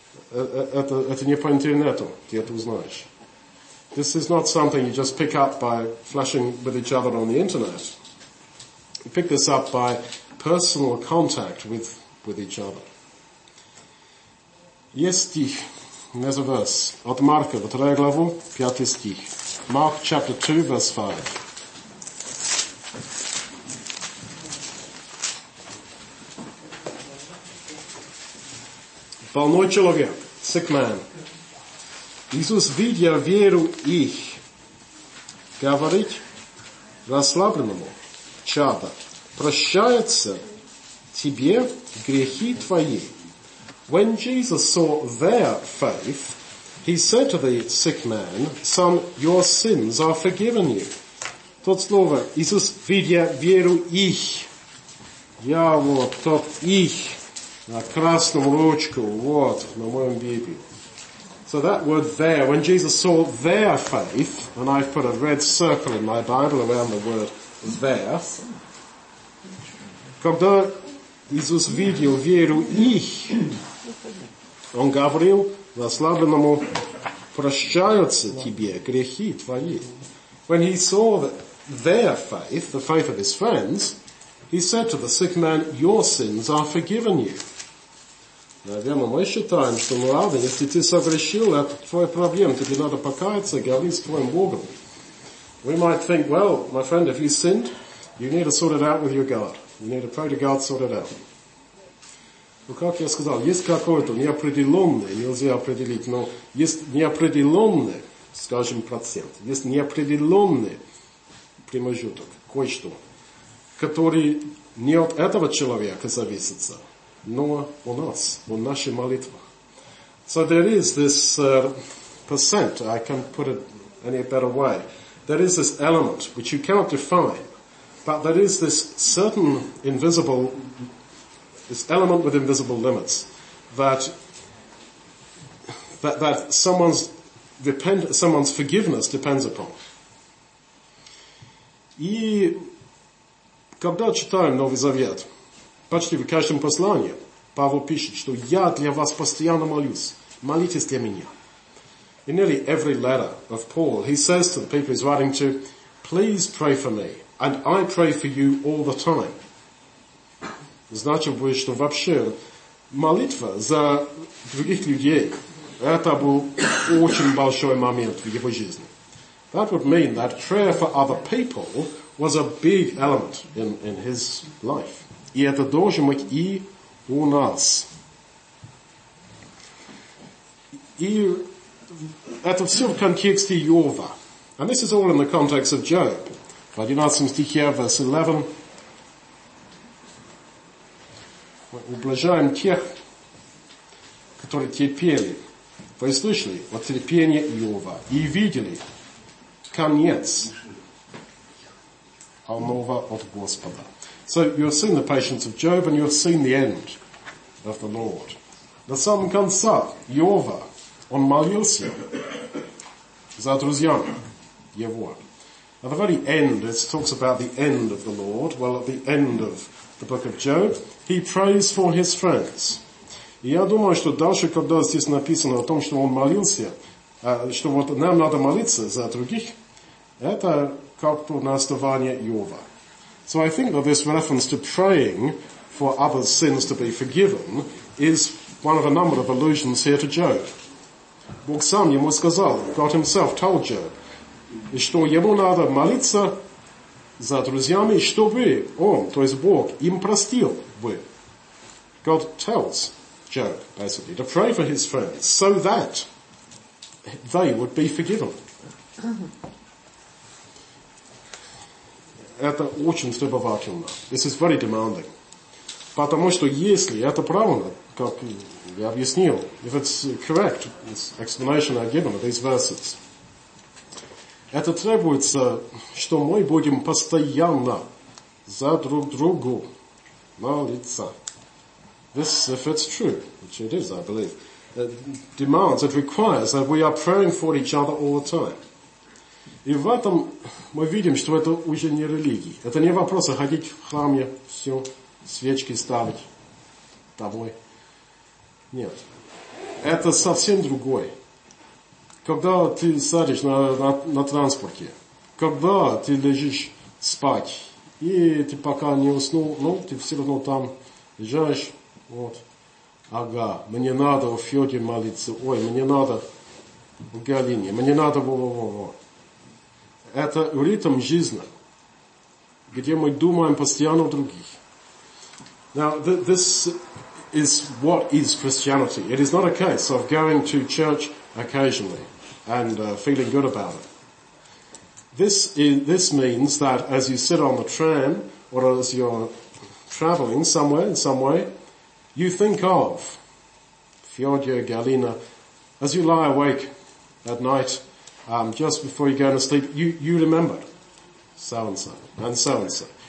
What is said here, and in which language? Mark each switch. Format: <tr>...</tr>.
<ru>Это не по интернету, где ты узнаешь.</ru> <en>This is not something you just pick up by flashing with each other on the internet. You pick this up by personal contact with each other.</en> <ru>Есть стих,</ru> <en>there's a verse,</en> <ru>от Марка, 2 главу, 5 стих.</ru> <en>Mark chapter 2, verse 5.</en> <ru>Больной человек.</ru> <en>Sick man.</en> <ru>Иисус, видя веру их, говорит расслабленному, чадо, прощаются тебе грехи твои.</ru> <en>When Jesus saw their faith, he said to the sick man, son, your sins are forgiven you.</en> <ru>Тот слово, Иисус, видя веру их. Я вот тот их. На красном ручку, вот, на моем Библии.</ru> <en>So that word there, when Jesus saw their faith, and I've put a red circle in my Bible around the word there,</en> <ru>когда Иисус видел веру их, он говорил расслабленному, прощаются тебе грехи твои.</ru> <en>When he saw their faith, the faith of his friends, He said to the sick man, your sins are forgiven you.</en> <ru>Наверное, мы считаем, что мы рады, если ты согрешил, это твоя проблема, тебе надо покаяться, говори с твоим Богом.</ru> <en>We might think, well, my friend, if you sinned, you need to sort it out with your God. You need to pray to God, sort it out.</en> <ru>Ну, как я сказал, есть какое-то неопределенное, нельзя определить, но есть неопределенное, скажем, процент, есть неопределенный промежуток, кое-что, который не от этого человека зависит, но у нас, в нашей молитве.</ru> <en>So there is this percent, I can't put it any better way, there is this element which you cannot define, but there is this certain invisible, this element with invisible limits, that someone's someone's forgiveness depends upon.</en> <ru>И когда читаем Новый Завет, почти в каждом послании Павел пишет, что я для вас постоянно молюсь, молитесь для меня.</ru> <en>In nearly every letter of Paul, he says to the people he's writing to, please pray for me, and I pray for you all the time.</en> <ru>Значит, что вообще молитва за других людей, это был очень большой момент в его жизни.</ru> <en>That would mean that prayer for other people was a big element in his life.</en> <ru>И это должен быть и у нас. И это все в контексте Иова.</ru> <en>And this is all in the context of Job.</en> <ru>В 11 стихе,</ru> <en>verse 11.</en> <ru>Мы ублажаем тех, которые терпели. Вы слышали о терпении Иова и видели конец Алмова от Господа.</ru> <en>So you have seen the patience of Job and you have seen the end of the Lord.</en> <ru>На самом конце Иова, он молился за друзьями его.</ru> <en>At the very end, it talks about the end of the Lord. Well, at the end of the book of Job, he prays for his friends.</en> <ru>И я думаю, что дальше, когда здесь написано о том, что он молился, что вот нам надо молиться за других, это как бы на основании Иова.</ru> <en>So I think that this reference to praying for others' sins to be forgiven is one of a number of allusions here to Job.</en> <ru>Бог сам ему сказал,</ru> <en>God himself told Job,</en> <ru>что ему надо молиться за друзьями, чтобы он, то есть Бог, им простил бы.</ru> <en>God tells Job, basically, to pray for his friends so that they would be forgiven.</en> <ru>Это очень требовательно.</ru> <en>This is very demanding.</en> <ru>Потому что если это правильно, как я объяснил,</ru> <en>if it's correct, this explanation I've given of these verses,</en> <ru>это требуется, что мы будем постоянно за друг другу молиться.</ru> <en>This, if it's true, which it is, I believe, demands, it requires that we are praying for each other all the time.</en> <ru>И в этом мы видим, что это уже не религия. Это не вопрос ходить в храме, все, свечки ставить домой. Нет. Это совсем другое. Когда ты садишь на транспорте, когда ты лежишь спать, и ты пока не уснул, ну, ты все равно там лежаешь, вот, ага, мне надо у Фёди молиться, ой, мне надо у Галине, мне надо во-во-во-во. Это ритм жизни, где мы думаем постоянно о других.</ru> <en>Now, this is what is Christianity. It is not a case of going to church occasionally and feeling good about it. This means that as you sit on the tram or as you're traveling somewhere in some way, you think of Fyodor, Galina, as you lie awake at night, just before you go to sleep, you remember so-and-so and so-and-so.</en>